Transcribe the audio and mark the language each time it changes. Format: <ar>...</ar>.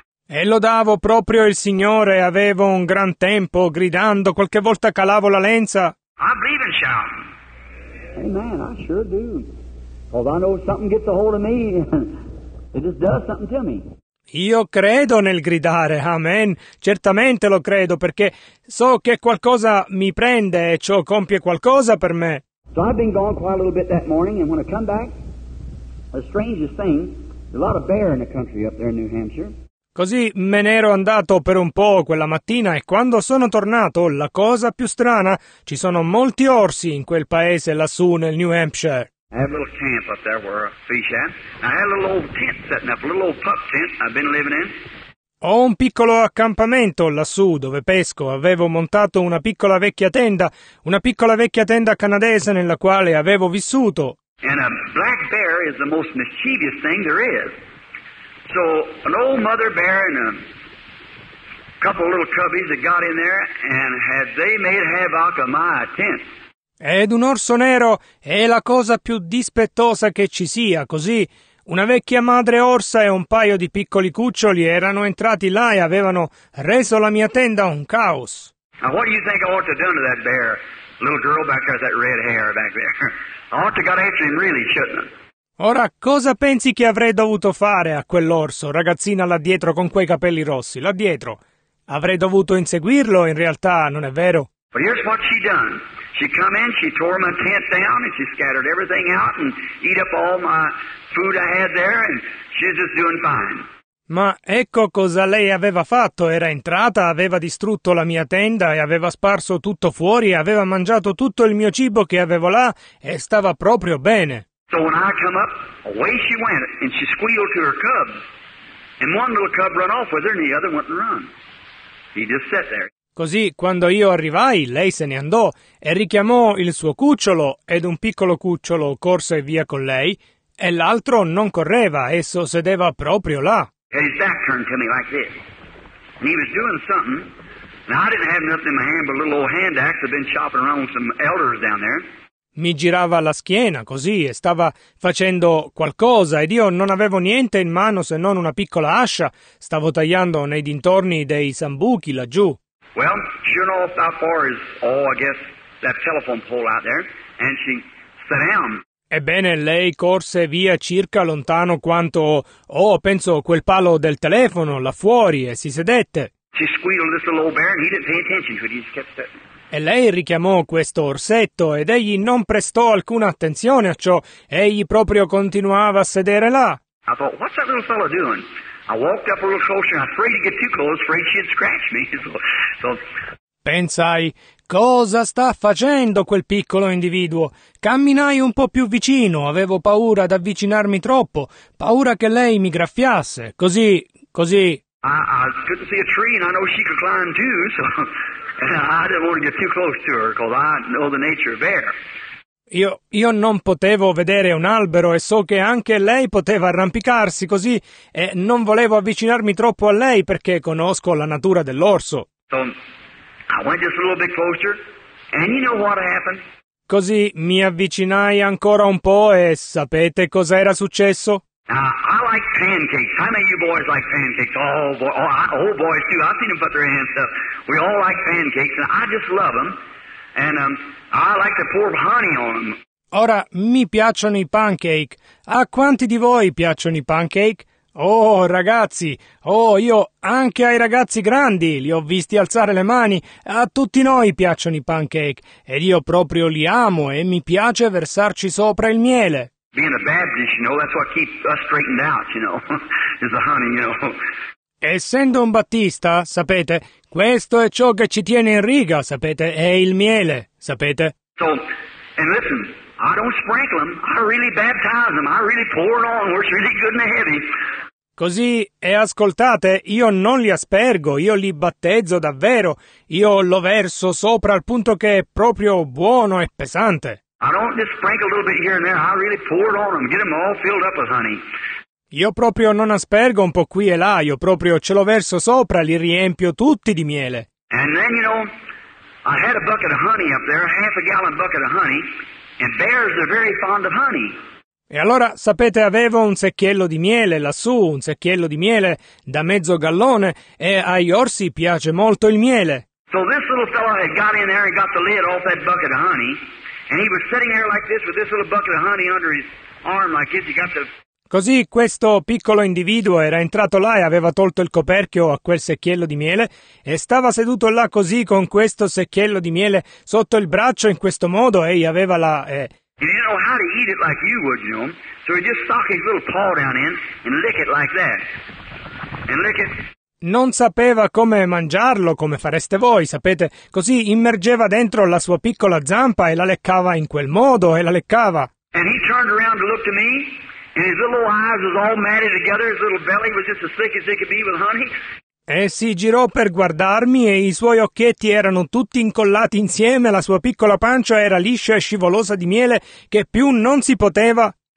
<it>E lodavo proprio il Signore, avevo un gran tempo, gridando, qualche volta calavo la lenza.</it> <en>I believe in shouting. Amen, I sure do. Because I know something gets a hold of me, it just does something to me.</en> <it>Io credo nel gridare, amen. Certamente lo credo, perché so che qualcosa mi prende e ciò compie qualcosa per me.</it> <en>So I've been gone quite a little bit that morning, and when I come back, the strangest thing, there's a lot of bear in the country up there in New Hampshire.</en> <it>Così me ne ero andato per un po' quella mattina e quando sono tornato, la cosa più strana, ci sono molti orsi in quel paese lassù nel New Hampshire.</it> <en>I had a little camp up there where fish at. I had a little old tent setting up, a little old pup tent I've been living in.</en> <it>Ho un piccolo accampamento lassù dove pesco. Avevo montato una piccola vecchia tenda, canadese nella quale avevo vissuto.</it> <en>And a black bear is the most mischievous thing there is. So an old mother bear and a couple of little cubbies that got in there and had they made havoc of my tent.</en> <it>Ed un orso nero è la cosa più dispettosa che ci sia, così una vecchia madre orsa e un paio di piccoli cuccioli erano entrati là e avevano reso la mia tenda un caos.</it> <en>Now what do you think I ought to have done to that bear, little girl back there with that red hair back there? I ought to have got after him really, shouldn't I?</en> <it>Ora, cosa pensi che avrei dovuto fare a quell'orso, ragazzina là dietro con quei capelli rossi, là dietro? Avrei dovuto inseguirlo, in realtà, non è vero?</it> <en>But here's what she done. She come in, she tore my tent down, and she scattered everything out and eat up all my food I had there, and she's just doing fine.</en> <it>Ma ecco cosa lei aveva fatto. Era entrata, aveva distrutto la mia tenda e aveva sparso tutto fuori, aveva mangiato tutto il mio cibo che avevo là e stava proprio bene.</it> <en>So when I come up, away she went, and she squealed to her cubs. And one little cub run off with her, and the other went and run. He just sat there.</en> <it>Così, quando io arrivai, lei se ne andò e richiamò il suo cucciolo ed un piccolo cucciolo corse via con lei e l'altro non correva, esso sedeva proprio là.</it> <en>And his back turned to me like this. And he was doing something. Now I didn't have nothing in my hand but a little old hand axe I've been chopping around with some elders down there.</en> <it>Mi girava la schiena così e stava facendo qualcosa ed io non avevo niente in mano se non una piccola ascia. Stavo tagliando nei dintorni dei sambuchi laggiù.</it> <en>Well, sure enough, how far is all, I guess, that telephone pole out there, and she sat down.</en> <it>Ebbene, lei corse via circa lontano quanto, oh, penso, quel palo del telefono, là fuori, e si sedette.</it> <en>She squealed this little old bear, and he didn't pay attention to it, he just kept sitting.</en> <it>E lei richiamò questo orsetto, ed egli non prestò alcuna attenzione a ciò, egli proprio continuava a sedere là.</it> <en>I thought, what's that little fellow doing? I walked up a little closer, and I'm afraid to get too close, afraid she'd scratch me. So,</en> <it>pensai, cosa sta facendo quel piccolo individuo? Camminai un po' più vicino, avevo paura ad avvicinarmi troppo, paura che lei mi graffiasse. Così.</it> <en>I couldn't see a tree, and I know she could climb too, so I didn't want to get too close to her, because I know the nature of bear.</en> <it>Io non potevo vedere un albero e so che anche lei poteva arrampicarsi così e non volevo avvicinarmi troppo a lei perché conosco la natura dell'orso.</it> <en>So, I went just a little bit closer, and you know what happened?</en> <it>Così mi avvicinai ancora un po' e sapete cosa era successo?</it> <en>I like pancakes. How many of you boys like pancakes? Oh, boys too. I've seen them put their hands up. We all like pancakes and I just love them. And I like to pour honey on them.</en> <it>Ora, mi piacciono i pancake. A quanti di voi piacciono i pancake? Oh, ragazzi! Oh, io anche ai ragazzi grandi li ho visti alzare le mani. A tutti noi piacciono i pancake. Ed io proprio li amo e mi piace versarci sopra il miele.</it> <en>Being a Baptist, you know, that's what keeps us straightened out, you know, is the honey, you know.</en> <it>Essendo un battista, sapete, questo è ciò che ci tiene in riga, sapete, è il miele, sapete?</it> <en>So, and listen, I don't sprinkle them, I really baptize them, I really pour it on where it's really good and heavy.</en> <it>Così, e ascoltate, io non li aspergo, io li battezzo davvero, io lo verso sopra al punto che è proprio buono e pesante.</it> <en>I don't just sprinkle a little bit here and there, I really pour it on them, get them all filled up with honey.</en> <it>Io proprio non aspergo un po' qui e là, io proprio ce lo verso sopra, li riempio tutti di miele.</it> <en>And then, you know, I had a bucket of honey up there, a half a gallon bucket of honey, and bears are very fond of honey.</en> <it>E allora, sapete, avevo un secchiello di miele lassù, un secchiello di miele da mezzo gallone, e agli orsi piace molto il miele.</it> <en>So this little fellow had got in there and got the lid off that bucket of honey, and he was sitting there like this with this little bucket of honey under his arm like this, he got the...</en> <it>Così questo piccolo individuo era entrato là e aveva tolto il coperchio a quel secchiello di miele e stava seduto là così con questo secchiello di miele sotto il braccio in questo modo e aveva la...</it> <en>And he didn't know how to eat it like you would, you know. So he just stuck his little paw down in and lick it like that. And lick it.</en> <it>Non sapeva come mangiarlo, come fareste voi, sapete? Così immergeva dentro la sua piccola zampa e la leccava in quel modo, e la leccava.</it> <en>And he turned around to look to me, and his little eyes was all matted together, his little belly was just as thick as it could be with honey.</en> <it>E si girò per guardarmi e i suoi occhietti erano tutti incollati insieme, la sua piccola pancia era liscia e scivolosa di miele che più non si poteva.</it>